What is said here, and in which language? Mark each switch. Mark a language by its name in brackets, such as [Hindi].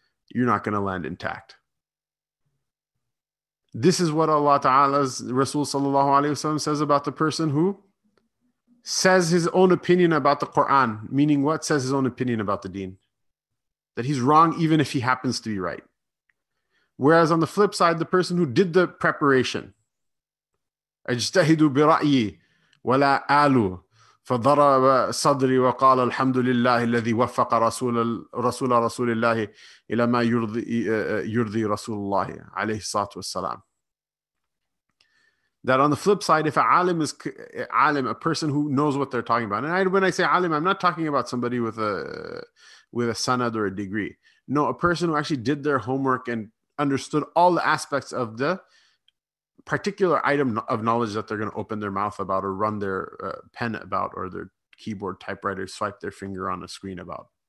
[English] You're not going to land intact. This is what Allah Ta'ala's Rasul Sallallahu Alaihi Wasallam says about the person who says his own opinion about the Quran. Meaning what? Says his own opinion about the deen. That he's wrong even if he happens to be right. Whereas on the flip side, the person who did the preparation, [Arabic] اجتهدوا برأيي ولا آلوا فضرب صدري وقال الحمد لله الذي وفق رسول رسول الله إلى ما يرضي رسول الله عليه الصلاة والسلام. [English] That on the flip side, if a person who knows what they're talking about, and when I say alim, I'm not talking about somebody with a sanad or a degree. No, a person who actually did their homework and understood all the aspects of the particular item of knowledge that they're going to open their mouth about or run their pen about or their keyboard typewriter, swipe their finger on a screen about.